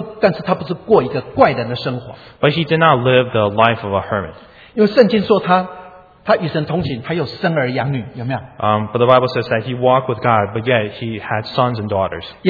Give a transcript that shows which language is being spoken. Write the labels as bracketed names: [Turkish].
[English] but he did not live the life of a hermit. [Chinese] 他与神同行，他有生儿养女， [English] But the Bible says that he walked with God, but yet he had sons and daughters.